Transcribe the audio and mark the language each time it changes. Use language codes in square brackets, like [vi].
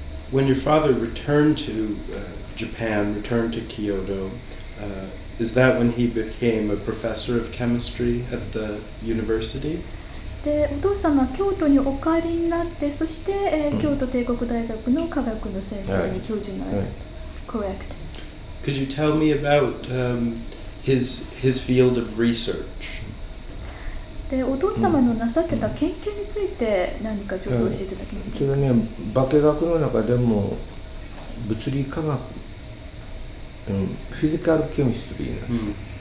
[en] When your father returned to Japan, returned to Kyoto, is that when he became a professor of chemistry at the university? [ja] で、お父様は京都にお帰りになって、そして、京都帝国大学の化学の先生に教授になる。 [en] Correct. Could you tell me about his field of research? [ja] でお父様のなさってた研究について何かちょっと教えていただけますか。それはね、化け学の中でも物理化学、フィジカルケミストリーなんです。